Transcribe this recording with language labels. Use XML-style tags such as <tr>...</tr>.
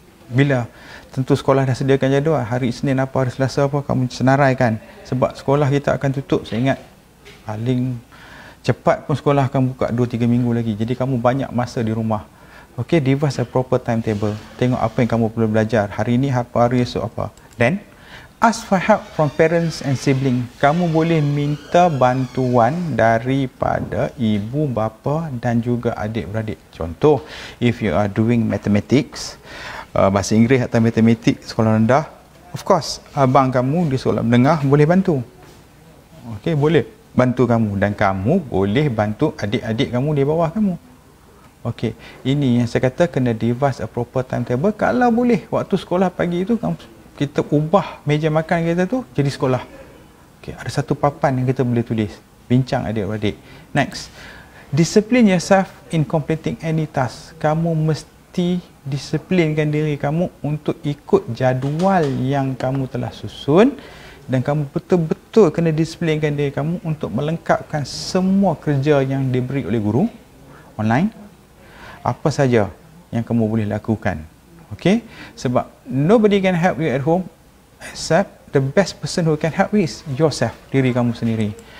<ms>Bila tentu sekolah dah sediakan jadual hari Isnin apa, hari Selasa apa, kamu senaraikan. Sebab sekolah kita akan tutup, saya ingat paling cepat pun sekolah akan buka 2-3 minggu lagi. Jadi kamu banyak masa di rumah. Okay, devise a proper timetable. Tengok apa yang kamu perlu belajar. Hari ini apa, hari esok apa.</ms> <en>Then, ask for help from parents and sibling.</en> <ms>Kamu boleh minta bantuan daripada ibu bapa dan juga adik-beradik. Contoh, if you are doing mathematics, bahasa Inggeris atau matematik sekolah rendah, of course, abang kamu di sekolah menengah boleh bantu. Okay, boleh bantu kamu. Dan kamu boleh bantu adik-adik kamu di bawah kamu. Okey, ini yang saya kata kena devise a proper timetable. Kalau boleh waktu sekolah pagi itu kita ubah meja makan kita tu jadi sekolah. Okey, ada satu papan yang kita boleh tulis. Bincang adik-adik. Next.</ms> <en>Discipline yourself in completing any task.</en> <ms>Kamu mesti disiplinkan diri kamu untuk ikut jadual yang kamu telah susun, dan kamu betul-betul kena disiplinkan diri kamu untuk melengkapkan semua kerja yang diberi oleh guru online. Apa saja yang kamu boleh lakukan.</ms> <en>Okay? Sebab nobody can help you at home except the best person who can help you is yourself, diri kamu sendiri.</en>